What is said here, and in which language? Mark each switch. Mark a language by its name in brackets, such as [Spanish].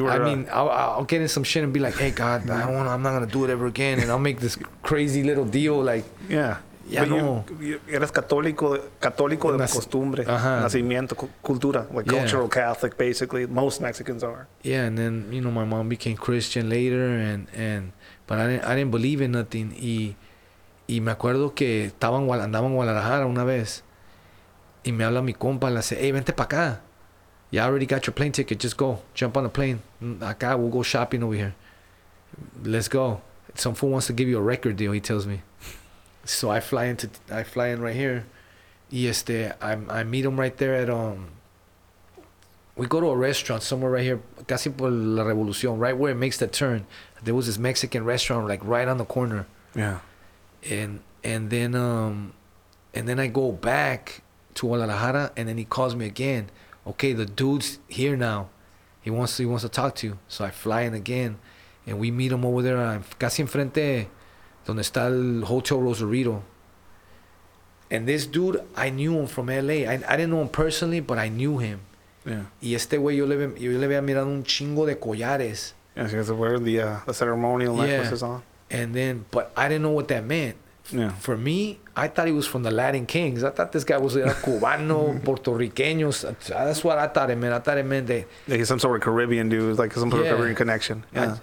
[English] I'll get in some shit and be like, hey God, I'm not gonna do it ever again, and I'll make this crazy little deal. Like, yeah. But no. [Spanish] Eres católico de costumbre, nacimiento, cultura, [English] like cultural Catholic, basically. Most Mexicans are. Yeah, and then you know my mom became Christian later, but I didn't believe in nothing. [Spanish] Y me acuerdo que andaba en Guadalajara una vez. Y me habla mi compa, le dice, hey, vente pa' acá. [English] Yeah, I already got your plane ticket. Just go. Jump on the plane. Acá, we'll go shopping over here. Let's go. some fool wants to give you a record deal, he tells me. So I fly into, I fly in right here. I meet him right there at, we go to a restaurant somewhere right here, [Spanish] Casi por la Revolución, [English] right where it makes the turn. There was this Mexican restaurant like right on the corner. And then I go back to Guadalajara, and then he calls me again. Okay, the dude's here now. He wants to talk to you. So I fly in again, and we meet him over there, [Spanish] casi enfrente donde está el Hotel Rosarito. [English] And this dude, I knew him from LA. I didn't know him personally, but I knew him. Yeah. [Spanish] Y este güey yo le había mirado un chingo de collares. [English] Yeah, so he has to wear the ceremonial necklaces on. But I didn't know what that meant. Yeah. For me, I thought he was from the Latin Kings. I thought this guy was a Cubano, Puerto Rican. That's what I thought it meant. Yeah, he's some sort of Caribbean dude, like some sort of Caribbean connection. Yeah.